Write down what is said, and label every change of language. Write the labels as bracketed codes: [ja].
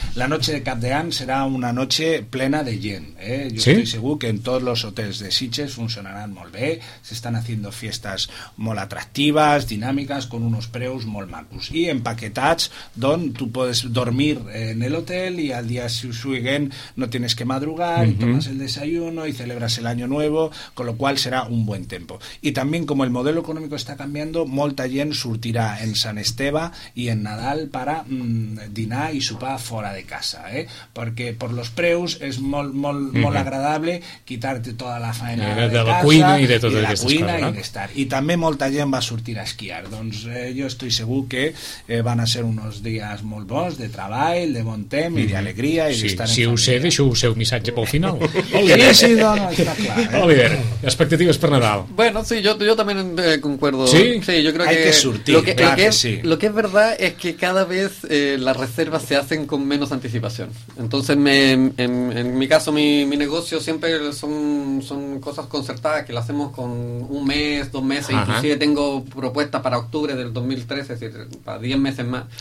[ca] La noche de Cap d'Any serà una noche plena de gent, jo estic segur que en tots els hotels de Sitges funcionaran molt bé, s'estan haciendo fiestas molt atractives, dinàmiques, con unos preus molt macos, i empaquetats, [es] don tu puedes dormir en el hotel y al día siguiente no tienes que madrugar, tomas el desayuno y celebras el año nuevo, con lo cual será un buen tiempo. Y también, como el modelo económico está cambiando, [ca] molta gent surtirá [es] en San Esteve y en Nadal para dinar y sopar fuera de casa, porque por los preus es molt agradable quitarte toda la faena de casa, [ca] la cuina y de tot de la cuina y de estar. [es] Y también molta gent va a surtir a esquiar, doncs yo estoy seguro que van a ser [ca] unos dies molt bons de treball, de bon temps i d'alegria i d'estar en família. Si ho sé, deixo el seu missatge pel final. Sí, no, està clar. Oliver, expectatives per Nadal. [es] Bueno, sí, yo también concuerdo. Sí? Sí, yo creo que... [ca] Hay que sortir, clar que sí. [es] Lo que es verdad es que cada vez las reservas se hacen con menos anticipación. Entonces, en mi caso, mi negocio siempre son cosas concertadas que las hacemos con un mes, dos meses, inclusive tengo propuestas para octubre del 2013, es decir, para 10 meses más.